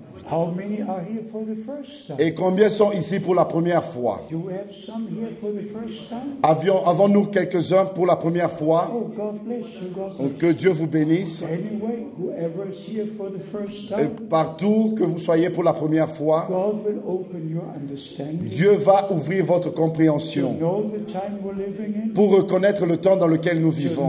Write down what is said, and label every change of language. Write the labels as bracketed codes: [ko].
[en] How many are here for the first time? [fr] Et combien sont ici pour la première fois? [en] Do we have some here for the first time? [fr] Avons-nous quelques-uns pour la première fois? [en] Oh, God bless you, God bless you. [fr] Que Dieu vous bénisse. [en] Anyway, whoever is here for the first time, [fr] partout que vous soyez pour la première fois, [en] God will open your understanding. [fr] Dieu va ouvrir votre compréhension. [en] To know the time we're living in, [fr] pour reconnaître le temps dans lequel nous vivons.